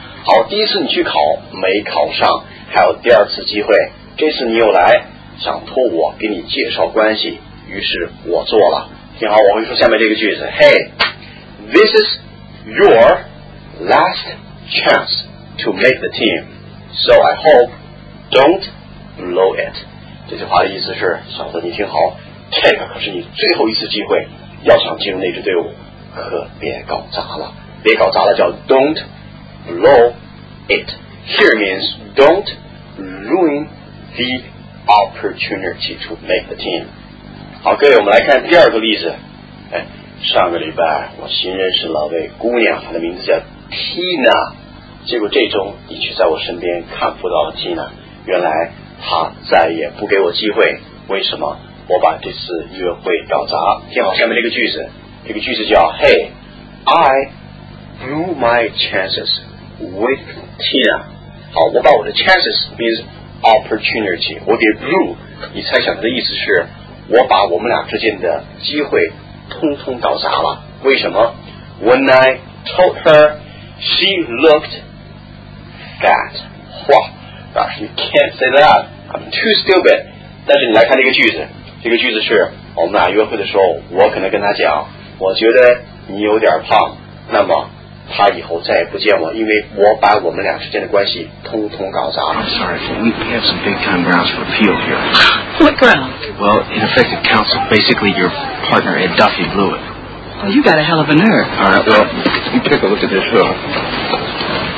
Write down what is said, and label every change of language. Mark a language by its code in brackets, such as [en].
[zh] 好，第一次你去考没考上，还有第二次机会，这次你又来想托我给你介绍关系，于是我做了。听好，我会说下面这个句子。 [en] Hey, this is your last chance to make the team, so I hope don't blow it. [zh] 这句话的意思是，小子你听好，这个可是你最后一次机会，要想进入那支队伍可别搞砸了，别搞砸了叫 [en] don't blow it. Here means don't ruin the opportunity to make the team。 [zh] 好，各位，我们来看第二个例子。哎，上个礼拜我新认识了位姑娘，她的名字叫 Tina， 结果这周你却在我身边看不到了 Tina， 原来她再也不给我机会，为什么？我把这次约会搞砸。听好下面这个句子，这个句子叫 [en] Hey, I blew my chances with Tina。 [zh] 好，我把我的 [en] chances means opportunity， [zh] 我给 blew， 你猜想的意思是我把我们俩之间的机会通通搞砸了。为什么？ [en] When I told her, she looked fat. 哇， gosh, you can't say that. I'm too stupid. [zh] 但是你来看这个句子，这个句子是我们俩约会的时候，我可能跟她讲，我觉得你有点胖，那么她以后再也不见我，因为我把我们俩之间的关系通通搞砸了。 [en] I'm sorry, but we have some big time grounds for appeal here. What grounds? Well, ineffective counsel. Basically, your partner Ed Duffy blew it. Well, you got a hell of a nerve. All right, well, you take a look at this film.